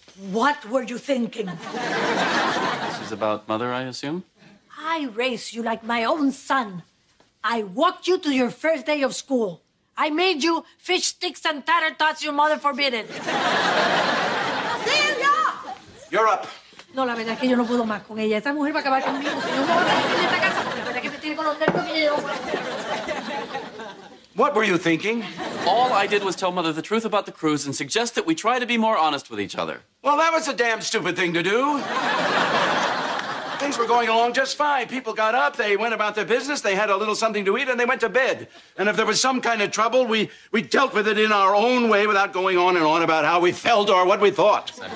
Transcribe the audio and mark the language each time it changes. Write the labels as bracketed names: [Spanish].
[English] What were you thinking? This is about mother, I assume? I raise you like my own son. I walked you to your first day of school. I made you fish sticks and tatter tots your mother forbidden. Celia! You're up. [Spanish] No, la verdad es que yo no puedo más con ella. Esa mujer va a acabar conmigo. Si yo no puedo vivir en esta casa, la verdad es que me tiene con los nervios que yo no. [English] What were you thinking? All I did was tell mother the truth about the cruise and suggest that we try to be more honest with each other. Well, that was a damn stupid thing to do. Things were going along just fine. People got up, they went about their business, they had a little something to eat, and they went to bed. And if there was some kind of trouble, we dealt with it in our own way without going on and on about how we felt or what we thought.